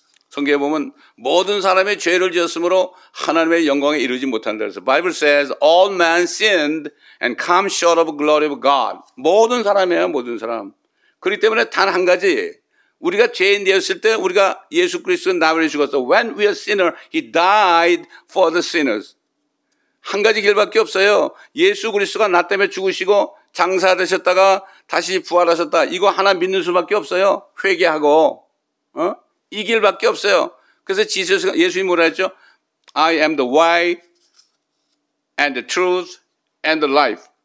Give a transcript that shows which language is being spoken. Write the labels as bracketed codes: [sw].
[ko] 성경에 보면 모든 사람의 죄를 지었으므로 하나님의 영광에 이르지 못한다 그래서 [en] Bible says all men sinned and come short of the glory of God. [ko] 모든 사람이에요, 모든 사람. 그렇기 때문에 단 한 가지 우리가 죄인 되었을 때 우리가 예수 그리스도 나무에 죽었어. [en] When we are sinners, he died for the sinners. [ko] 한 가지 길밖에 없어요. 예수 그리스도가 나 때문에 죽으시고 장사되셨다가 다시 부활하셨다. 이거 하나 믿는 수밖에 없어요. 회개하고. 어? 이 길밖에 없어요. 그래서 지수에서 예수님이 뭐라 했죠? [en] I am the way and the truth and the life.